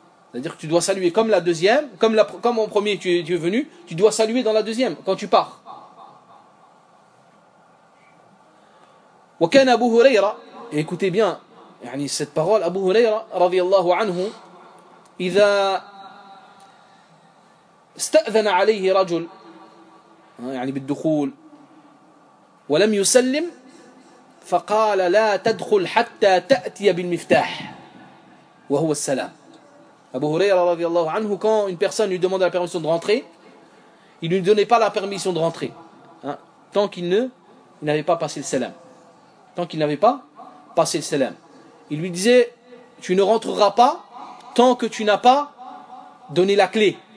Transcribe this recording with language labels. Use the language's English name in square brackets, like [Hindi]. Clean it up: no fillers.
[French] C'est-à-dire que tu dois saluer comme la deuxième, comme en premier tu es venu, tu dois saluer dans la deuxième, quand tu pars. [Arabic] وكان أبو هريرة [French] écoutez bien cette parole, [Arabic] أبو هريرة رضي الله عنه إذا استأذن عليه رجل بالدخول ولم يسلم فقال لا تدخل حتى تأتي بالمفتاح وهو السلام. [French] أبو هريرة رضي الله عنه, quand une personne lui demande la permission de rentrer, il ne lui donnait pas la permission de rentrer tant qu'il n'avait pas passé le salam. Tant qu'il n'avait pas passé le salam. Il lui disait, tu ne rentreras pas tant que tu n'as pas donné la clé.